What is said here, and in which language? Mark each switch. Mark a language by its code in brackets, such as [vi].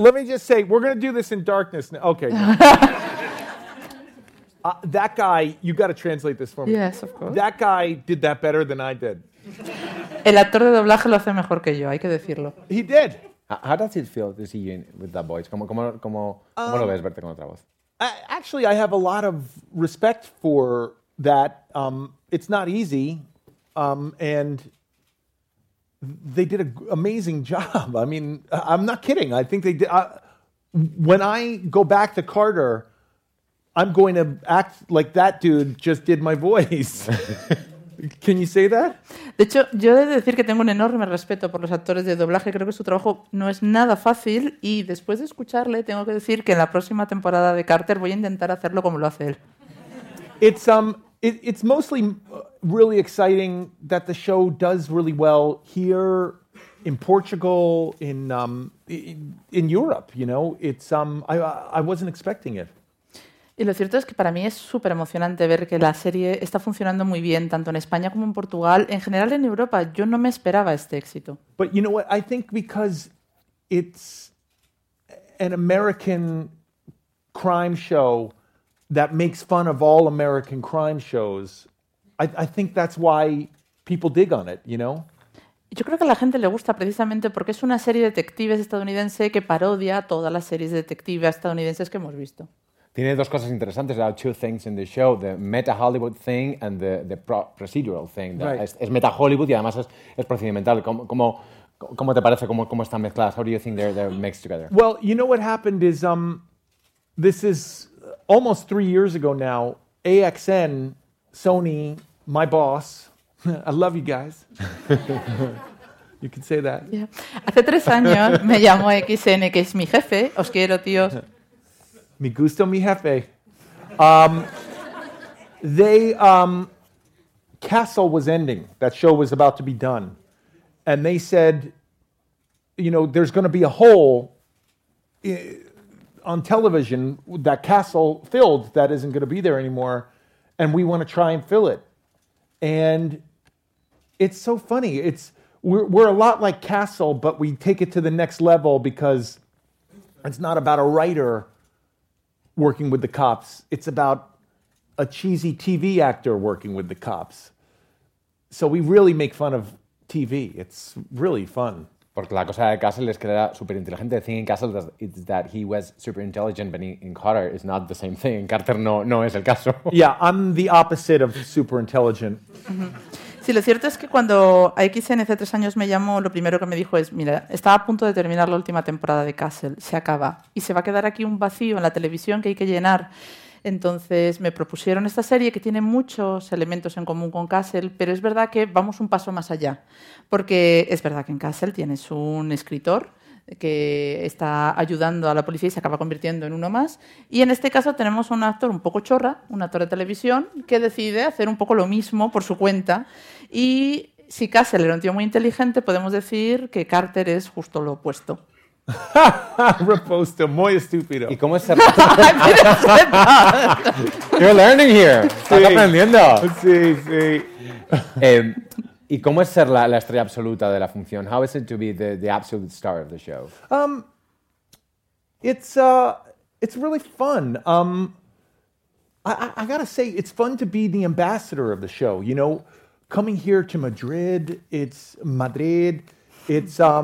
[en] Let me just say, we're going to do this in darkness now. Okay. that guy, you got to translate this for me. Yes, of course. That guy did that better than I did. [es] El actor de doblaje lo hace mejor que yo, hay que decirlo. [en] He did. How does it feel to see you with that voice? [es] ¿Cómo lo ves verte con otra voz? [en] Actually, I have a lot of respect for that. It's not easy. And... They did an amazing job. I mean, I'm not kidding. I think they did. When I go back to Carter, I'm going to act like that dude just did my voice. Can you say that? [es] De hecho, yo he de decir que tengo un enorme respeto por los actores de doblaje. Creo que su trabajo no es nada fácil. Y después de escucharle, tengo que decir que en la próxima temporada de Carter voy a intentar hacerlo como lo hace él. [en] It's mostly really exciting that the show does really well here in Portugal, in Europe, you know. It's I wasn't expecting it. [es] Y lo cierto es que para mí es súper emocionante ver que la serie está funcionando muy bien tanto en España como en Portugal. En general, en Europa, yo no me esperaba este éxito. [en] But you know what? I think because it's an American crime show that makes fun of all American crime shows, I think that's why people dig on it, you know? [es] Yo creo que a la gente le gusta precisamente porque es una serie de detectives estadounidense que parodia todas las series de detectives estadounidenses que hemos visto. Tiene dos cosas interesantes, [en] there are two things in the show, the meta-Hollywood thing and the procedural thing. Right. [es] Es meta-Hollywood y además es procedimental. ¿Cómo te parece? ¿Cómo están mezcladas? [en] How do you think they're mixed together? Well, you know what happened is, this is almost 3 years ago now, AXN, Sony, my boss, I love you guys. You can say that. Yeah. [es] Hace 3 años me llamó XN, que es mi jefe, os quiero, tíos. Me gusto mi jefe. [en] Castle was ending. That show was about to be done. And they said, you know, there's going to be a hole on television that Castle filled that isn't going to be there anymore. And we want to try and fill it. And it's so funny. We're a lot like Castle, but we take it to the next level because it's not about a writer working with the cops. It's about a cheesy TV actor working with the cops. So we really make fun of TV. It's really fun. [es] Porque la cosa de Castle es que era super inteligente. [en] The thing in Castle is that he was super intelligent, but in Carter is not the same thing. [es] Carter no es el caso. [en] Yeah, I'm the opposite of super intelligent. [es] Sí, lo cierto es que cuando AXN hace 3 años me llamó, lo primero que me dijo es, mira, estaba a punto de terminar la última temporada de Castle, se acaba, y se va a quedar aquí un vacío en la televisión que hay que llenar. Entonces me propusieron esta serie que tiene muchos elementos en común con Castle, pero es verdad que vamos un paso más allá, porque es verdad que en Castle tienes un escritor que está ayudando a la policía y se acaba convirtiendo en uno más. Y en este caso tenemos a un actor un poco chorra, un actor de televisión, que decide hacer un poco lo mismo por su cuenta. Y si Castle era un tío muy inteligente, podemos decir que Carter es justo lo opuesto. Reposto, muy estúpido. ¿Y cómo es ser? [en] You're learning here. [es] Sí. Estás aprendiendo. Sí, sí. ¿Y cómo es ser la estrella absoluta de la función? [en] How is it to be the absolute star of the show? It's really fun. I gotta say, it's fun to be the ambassador of the show. You know, coming here to Madrid, it's Madrid. It's